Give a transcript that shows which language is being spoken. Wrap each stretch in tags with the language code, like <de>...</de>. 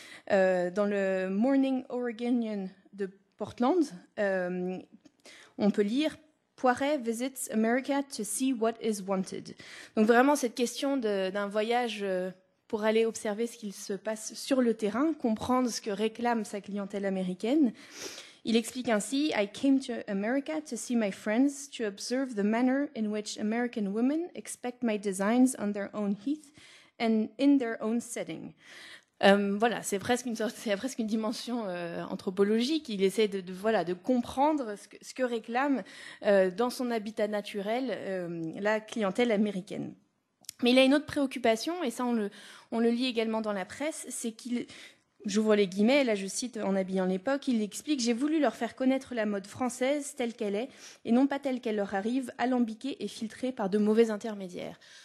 <fr>Dans le Morning Oregonian de Portland, on peut lire</fr> <en>Poiret visits America to see what is wanted.</en> <fr>Donc vraiment cette question d'un voyage pour aller observer ce qu'il se passe sur le terrain, comprendre ce que réclame sa clientèle américaine. Il explique ainsi,</fr> <en>I came to America to see my friends, to observe the manner in which American women expect my designs on their own heath and in their own setting.</en> <fr>Voilà, c'est presque une sorte, c'est presque une dimension anthropologique. Il essaie de comprendre ce que réclame dans son habitat naturel la clientèle américaine. Mais il a une autre préoccupation, et ça on le lit également dans la presse, c'est qu'il, j'ouvre les guillemets, là je cite en habillant l'époque, il explique « J'ai voulu leur faire connaître la mode française telle qu'elle est, et non pas telle qu'elle leur arrive, alambiquée et filtrée par de mauvais intermédiaires ».</fr>